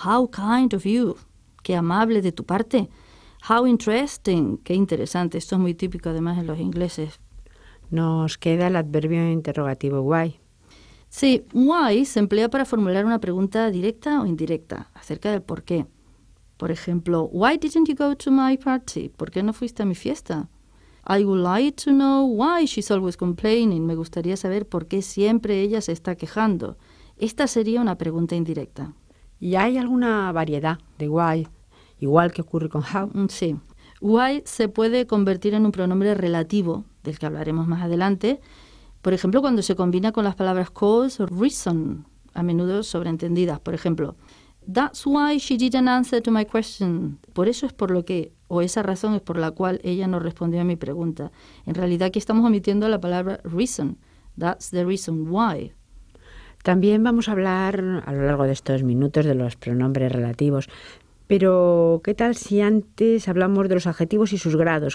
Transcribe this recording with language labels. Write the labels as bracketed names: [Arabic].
[English] How kind of you, [Spanish] qué amable de tu parte. [English] How interesting, [Spanish] qué interesante. Esto es muy típico además en los ingleses. Nos queda el adverbio interrogativo why. Sí, why se emplea para formular una pregunta directa o indirecta acerca del por qué. Por ejemplo, [English] why didn't you go to my party? [Spanish] ¿Por qué no fuiste a mi fiesta? [English] I would like to know why she's always complaining. [Spanish] Me gustaría saber por qué siempre ella se está quejando. Esta sería una pregunta indirecta. ¿Y hay alguna variedad de why, igual que ocurre con how? Sí, why se puede convertir en un pronombre relativo, del que hablaremos más adelante. Por ejemplo, cuando se combina con las palabras cause o reason, a menudo sobreentendidas. Por ejemplo, [English] that's why she didn't answer to my question. [Spanish] Por eso es por lo que, o esa razón es por la cual ella no respondió a mi pregunta. En realidad aquí estamos omitiendo la palabra reason. [English] That's the reason why. [Spanish] También vamos a hablar a lo largo de estos minutos de los pronombres relativos. Pero, ¿qué tal si antes hablamos de los adjetivos y sus grados?